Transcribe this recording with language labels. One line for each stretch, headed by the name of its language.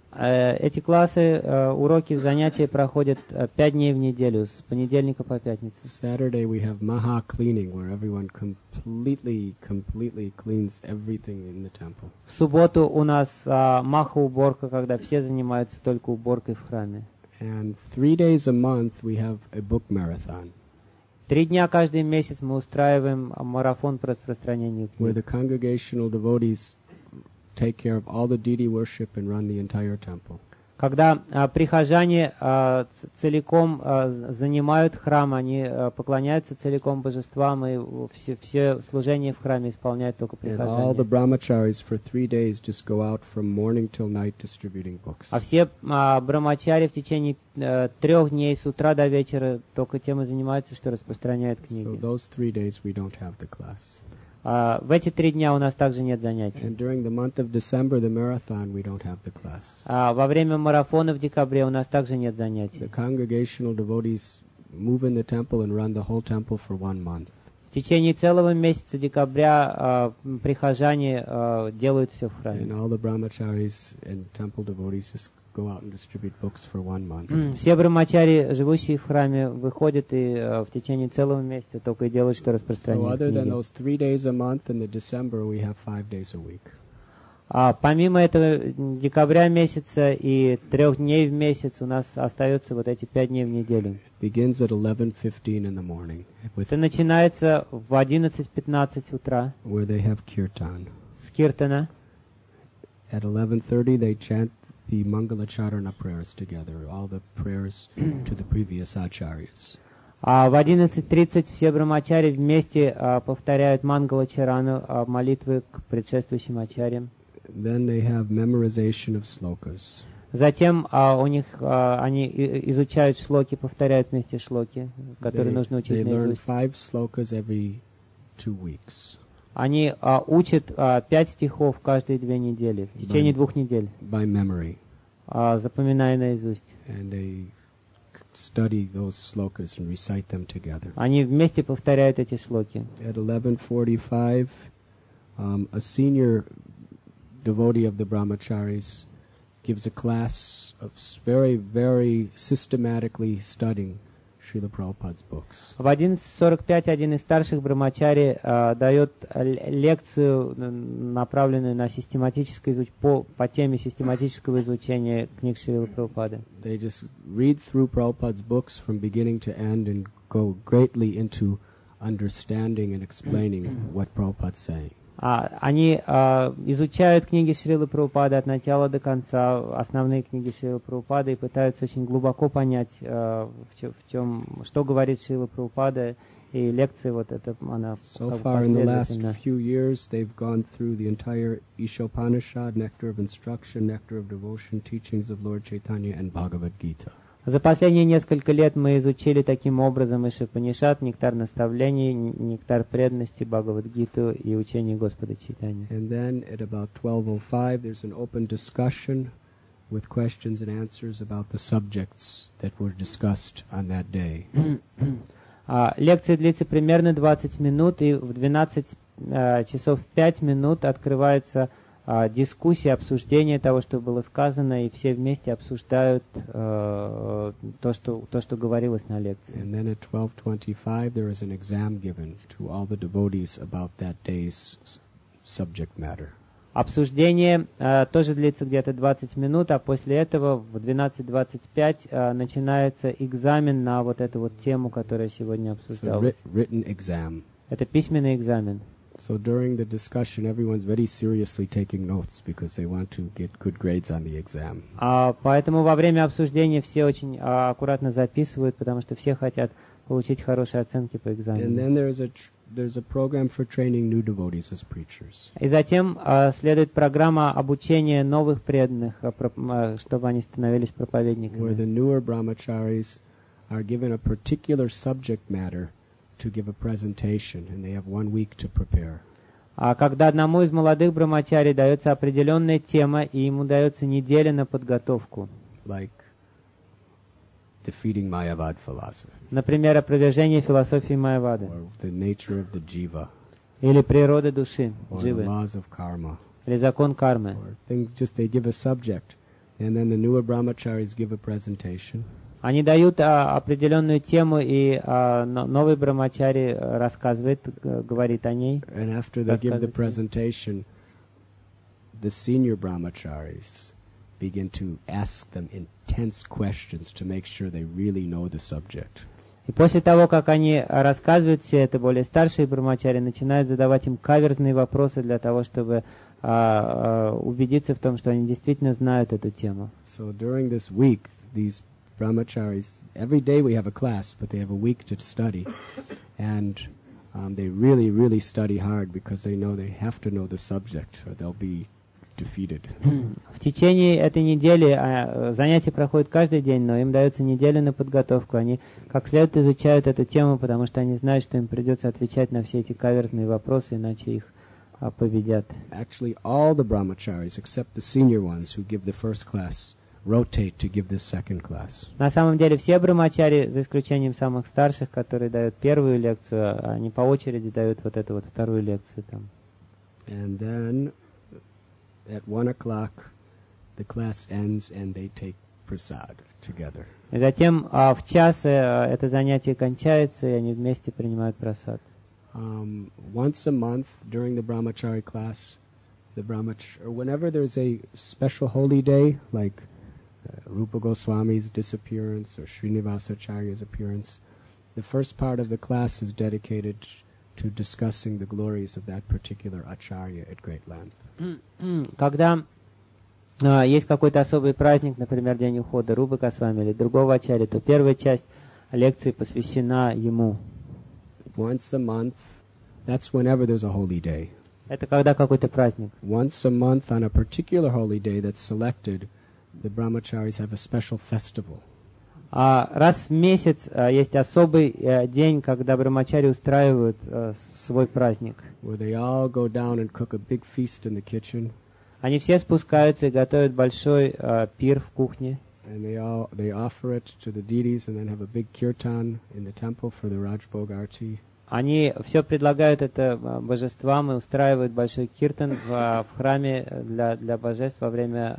Russian: Эти классы, уроки, занятия проходят 5 дней в неделю, с понедельника по пятницу.
English: Saturday we have maha cleaning, where everyone completely cleans everything in the temple.
Russian: В субботу у нас маха уборка, когда все занимаются только уборкой в храме.
English: And 3 days a month we have a book marathon.
Russian: 3 дня каждый месяц мы устраиваем марафон по распространению книг.
English: Where the congregational devotees take care of all the deity worship and run the entire temple.
Russian: Когда прихожане целиком занимают храм, они поклоняются целиком божествам, и все служение в храме исполняют только прихожане.
English: All the brahmacharis for 3 days just go out from morning till night distributing books.
Russian: А все брахмачари в течение 3 дней с утра до вечера только тем и занимаются, что распространяют книги.
English: So those 3 days we don't have the class.
Russian: В эти три дня у нас также нет занятий.
English: And during the month of December, the marathon, we don't have the class.
Russian: Во время марафона в декабре у нас также нет занятий.
English: The congregational devotees move in the temple and run the whole temple for 1 month.
Russian: В течение целого месяца декабря прихожане делают все в храме.
English: And all the brahmacharis and temple devotees just go out and distribute books for 1 month.
Russian: Все брахмачари, живущие в храме, выходят и в течение целого месяца только и делают, что распространяют.
English: So other than those 3 days a month in the December, we have 5 days a week.
Russian: Помимо этого декабря месяца и 3 дней в месяц у нас остается вот эти 5 дней в неделю.
English: It begins at 11:15 in the morning.
Russian: Это начинается в 11:15 утра.
English: Where they have kirtan.
Russian: С киртана.
English: At 11:30 they chant the Mangalacharana prayers together, all the prayers to the previous acharyas.
Russian: В 11:30 все брахмачари вместе повторяют Мангалачарану, молитвы к предшествующим ачарьям.
English: Then they have memorization of slokas.
Russian: Затем у них они изучают шлоки, повторяют вместе шлоки, которые нужно учить наизусть.
English: They learn 5 slokas every 2 weeks.
Russian: Они учат 5 стихов каждые 2 недели, в течение 2 недель.
English: By memory.
Russian: Запоминая наизусть.
English: And they study those slokas and recite them together.
Russian: Они вместе повторяют эти шлоки.
English: At 11:45, a senior devotee of the brahmacharis gives a class of very, very systematically studying Srila Prabhupada's books.
Russian: В 11:45 один из старших брахмачари дает лекцию, направленную на систематическое изучение по теме систематического изучения книг Шрилы Прабхупады.
English: They just read through Prabhupada's books from beginning to end and go greatly into understanding and explaining what Prabhupada's saying.
Russian: Они изучают книги Шрилы Прабхупады от начала до конца, основные книги Шрилы Прабхупады, и пытаются очень глубоко понять, в чем, что говорит Шрила Прабхупада, и лекции вот это, она последовательна.
English: So far, in the last few years, they've gone through the entire Ishopanishad, Nectar of Instruction, Nectar of Devotion, Teachings of Lord Chaitanya and Bhagavad Gita.
Russian: За последние несколько лет мы изучили таким образом Ишопанишад, нектар наставлений, нектар преданности, Бхагавад-гиту и учение Господа Чайтаньи.
English: And then at about 12:05 there's an open discussion with questions and answers about the subjects that were discussed on that day.
Russian: Лекция длится примерно 20 минут, и в 12:05 открывается дискуссии, обсуждение того, что было сказано, и все вместе обсуждают то, что говорилось на лекции.
English: And then at 12:25 there is an exam given to all the devotees about that day's subject matter.
Russian: Обсуждение тоже длится где-то 20 минут, а после этого в 12:25 начинается экзамен на вот эту вот тему, которая сегодня обсуждалась.
English: So written exam.
Russian: Это письменный экзамен.
English: So during the discussion, everyone's very seriously taking notes because they want to get good grades on the exam.
Russian: Поэтому во время обсуждения все очень аккуратно записывают, потому что все хотят получить хорошие оценки по экзамену.
English: And then there's a program for training new devotees as preachers.
Russian: И затем следует программа обучения новых преданных, чтобы они становились проповедниками.
English: Where the newer brahmacharis are given a particular subject matter to give a presentation, and they have 1 week to prepare.
Russian: Когда одному из молодых брахмачари дается определенная тема, и ему дается неделя на подготовку.
English: Like defeating Mayavad philosophy.
Russian: Например, опровержение философии Майявады.
English: Or the nature of the jiva.
Russian: Или природа души,
English: jiva. Or the laws of karma.
Russian: Или закон кармы.
English: Or things, just they give a subject, and then the newer brahmacharis give a presentation.
Russian: Они дают определенную тему, и новый брахмачари рассказывает, говорит о ней.
English: And after they give the presentation, the senior brahmacharis begin to ask them intense questions to make sure they really know the subject.
Russian: И после того, как они рассказывают все это, более старшие брахмачари начинают задавать им каверзные вопросы для того, чтобы убедиться в том, что они действительно знают эту тему.
English: So during this week, these brahmacharis, every day we have a class, but they have a week to study, and they really, really study hard because they know they have to know the subject, or they'll be defeated.
Russian: В течение этой недели занятия проходят каждый день, но им дается неделя на подготовку. Они как следует изучают эту тему, потому что они знают, что им придется отвечать на все эти каверзные вопросы, иначе их победят.
English: Actually, all the brahmacharis, except the senior ones who give the first class, rotate to give the second class.
Russian: На самом деле все брахмачари, за исключением самых старших, которые дают первую лекцию, они по очереди дают вот эту вот вторую лекцию там.
English: And then at 1 o'clock the class ends and they take prasad together.
Russian: И затем в час это занятие кончается, и они вместе принимают прасад.
English: Once a month during the brahmachari class, whenever there's a special holy day, like Rupa Goswami's disappearance or Srinivasa Acharya's appearance, the first part of the class is dedicated to discussing the glories of that particular Acharya at great length.
Russian: Когда есть какой-то особый праздник, например, день ухода Рупы Госвами или другого Ачарьи, то первая часть лекции посвящена ему.
English: Once a month, that's whenever there's a holy day.
Russian: Это когда какой-то праздник.
English: Once a month on a particular holy day that's selected, the brahmacharis have a special festival.
Russian: Раз в месяц есть особый день, когда брахмачари устраивают свой праздник.
English: Where they all go down and cook a big feast in the kitchen.
Russian: Они все спускаются и готовят большой пир в кухне.
English: And they offer it to the deities and then have a big kirtan in the temple for the Rajbhogarti.
Russian: Они все предлагают это божествам и устраивают большой киртан в храме для божеств во время